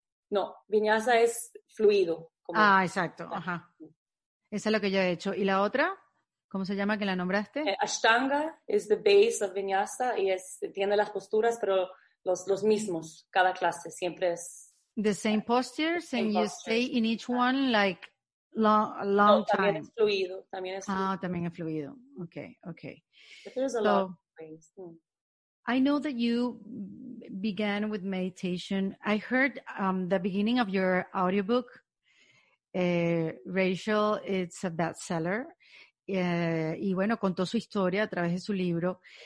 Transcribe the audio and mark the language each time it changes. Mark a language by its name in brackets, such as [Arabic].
[Spanish] No, vinyasa es fluido. Como ah, exacto. Ajá. Esa es lo que yo he hecho. ¿Y la otra? ¿Cómo se llama que la nombraste? [English] Ashtanga is the base of vinyasa [Spanish] y tiene las posturas, pero... Los mismos, cada clase, siempre es... [English] The same postures, and you stay in each one, like, long time. [Spanish] También es fluido, también es fluido. Ah, también es fluido. Okay. [English] But there's a lot of things. I know that you began with meditation. I heard the beginning of your audiobook, Rachel, it's a bestseller. [Spanish] Y bueno, contó su historia a través de su libro.